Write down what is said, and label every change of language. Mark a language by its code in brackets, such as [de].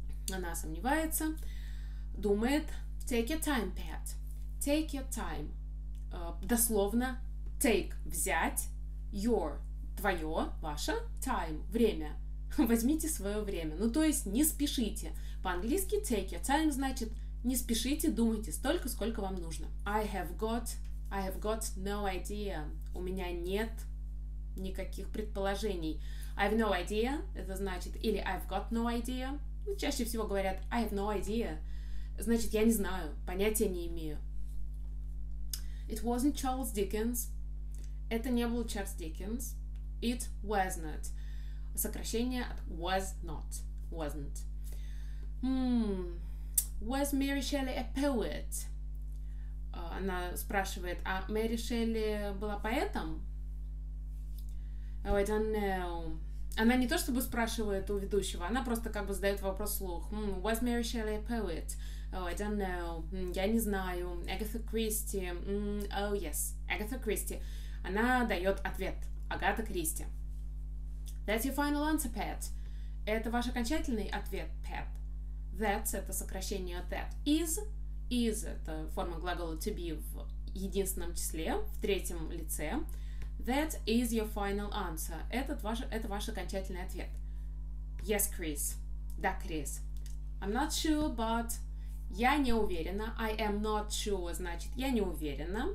[ru] Она сомневается, думает, [en] take your time, Pat, take your time. [ru] Дословно, take, взять, your, твое, ваше, time, время, возьмите свое время, ну то есть не спешите. По-английски [en] take your time [ru] значит не спешите, думайте столько, сколько вам нужно. [en] I have got no idea. [ru] У меня нет никаких предположений. [en] I've no idea. [ru] Это значит, или [en] I've got no idea. [ru] Ну, чаще всего говорят [en] I have no idea. [ru] Значит, я не знаю, понятия не имею. [en] It wasn't Charles Dickens. [ru] Это не был Charles Dickens. [en] It was not. [ru] Сокращение от [en] was not. Wasn't. Was Mary Shelley a poet? [ru] Она спрашивает, а Мэри Шелли была поэтом? [en] Oh, I don't know. [ru] Она не то чтобы спрашивает у ведущего, она просто как бы задает вопрос вслух. [en] Was Mary Shelley a poet? Oh, I don't know. [ru] Я не знаю. Агата Кристи. [en] Oh, yes. [ru] Агата Кристи. Она дает ответ. Агата Кристи. [en] That's your final answer, Pat. [ru] Это ваш окончательный ответ, Pat. That's это сокращение от that. Is — это форма глагола [en] to be [ru] в единственном числе, в третьем лице. [en] That is your final answer. [ru] Это ваш окончательный ответ. [en] Yes, Chris. [ru] Да, Крис. [en] I'm not sure, but... [ru] Я не уверена. [en] I am not sure [ru] — значит, я не уверена.